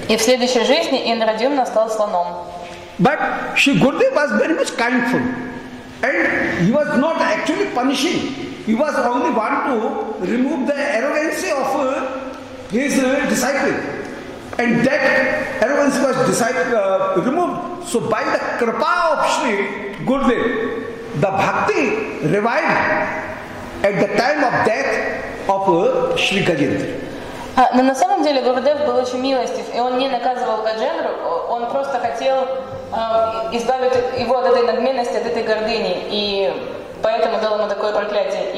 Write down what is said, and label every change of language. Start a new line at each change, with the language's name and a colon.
Russian: И в следующей жизни Индрадюмна стал слоном.
English: But Shri Gurudev was very much kindful, and he was not actually punishing. He was only want to remove the arrogance of his disciple, and that arrogance was removed. So by the kripa of Shri Gurudev, the bhakti revived at the time of death of Shri Gajendra.
Russian: Но на самом деле Гурудев был очень милостив, и он не наказывал Гаджендру, он просто хотел избавить его от этой надменности, от этой гордыни, и поэтому дал ему такое проклятие.